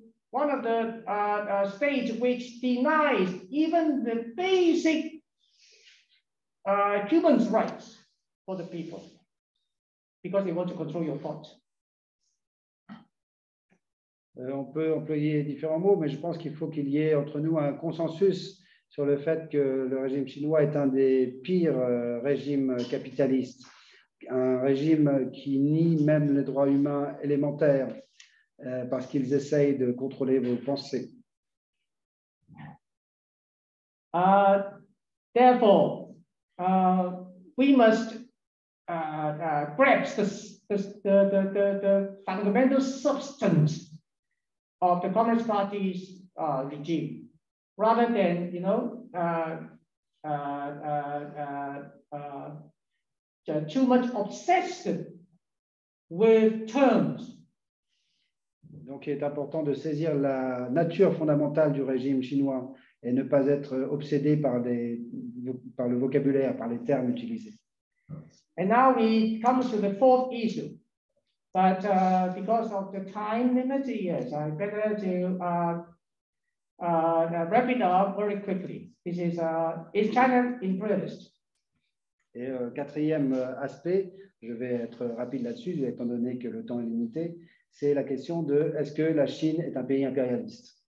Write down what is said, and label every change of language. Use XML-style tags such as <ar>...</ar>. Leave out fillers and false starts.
<en>One of the states which denies even the basic human rights for the people, because they want to control your thoughts.</en> <fr>On peut employer différents mots, mais je pense qu'il faut qu'il y ait entre nous un consensus sur le fait que le régime chinois est un des pires régimes capitalistes, un régime qui nie même les droits humains élémentaires. Parce qu'ils essayent de contrôler vos pensées.</fr> <en>Therefore, we must grasp the fundamental substance of the Communist Party's regime, rather than too much obsessed with terms.</en> <fr>Donc, il est important de saisir la nature fondamentale du régime chinois et ne pas être obsédé par, par le vocabulaire, par les termes utilisés.</fr> <en>And now we come to the fourth issue. But because of the time limit, yes, I better to wrap it up very quickly. This is China imperialist?</en> <fr>Et quatrième aspect, je vais être rapide là-dessus, étant donné que le temps est limité. C'est la question de est-ce que la Chine est un pays impérialiste?</fr>